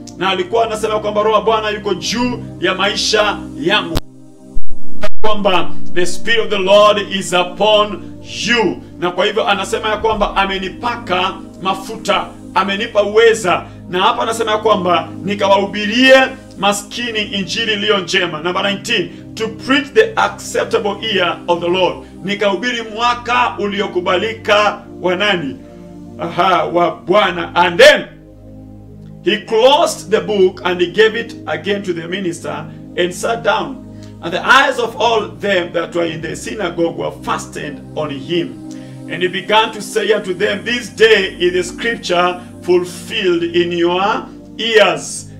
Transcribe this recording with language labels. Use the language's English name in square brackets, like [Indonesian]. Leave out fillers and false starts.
[Swahili] Na alikuwa anasema kwamba roho Bwana yuko juu ya maisha yangu, kwamba [English] the Spirit of the Lord is upon you. [Swahili] Na kwa hivyo anasema ya kwamba amenipaka mafuta, amenipa uweza. Na hapa anasema ya kwamba nikawahubirie maskini injili iliyo njema. [English] Number 19, to preach the acceptable year of the Lord. [Swahili] Nikahubiri mwaka uliokubalika wa nani? Aha, wa Bwana. [English] And then he closed the book and he gave it again to the minister and sat down. And the eyes of all them that were in the synagogue were fastened on him. And he began to say unto them, this day is the scripture fulfilled in your ears.